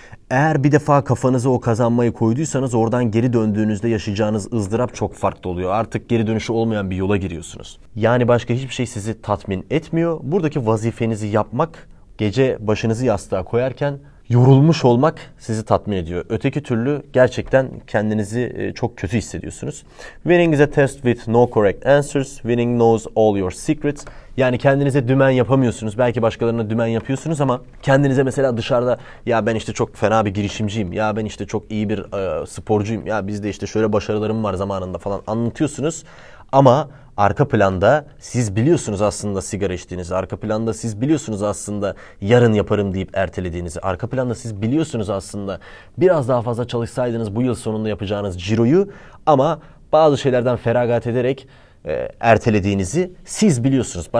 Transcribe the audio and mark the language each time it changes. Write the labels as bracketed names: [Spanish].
[Turkish] Eğer bir defa kafanıza o kazanmayı koyduysanız oradan geri döndüğünüzde yaşayacağınız ızdırap çok farklı oluyor. Artık geri dönüşü olmayan bir yola giriyorsunuz. Yani başka hiçbir şey sizi tatmin etmiyor. Buradaki vazifenizi yapmak, gece başınızı yastığa koyarken yorulmuş olmak sizi tatmin ediyor. Öteki türlü gerçekten kendinizi çok kötü hissediyorsunuz. [English] Winning is a test with no correct answers. Winning knows all your secrets. [Turkish] Yani kendinize dümen yapamıyorsunuz. Belki başkalarına dümen yapıyorsunuz ama kendinize mesela dışarıda ya ben işte çok fena bir girişimciyim. Ya ben işte çok iyi bir sporcuyum. Ya bizde işte şöyle başarılarım var zamanında falan anlatıyorsunuz. Ama arka planda siz biliyorsunuz aslında sigara içtiğinizi, arka planda siz biliyorsunuz aslında yarın yaparım deyip ertelediğinizi, arka planda siz biliyorsunuz aslında biraz daha fazla çalışsaydınız bu yıl sonunda yapacağınız ciroyu ama bazı şeylerden feragat ederek ertelediğinizi siz biliyorsunuz.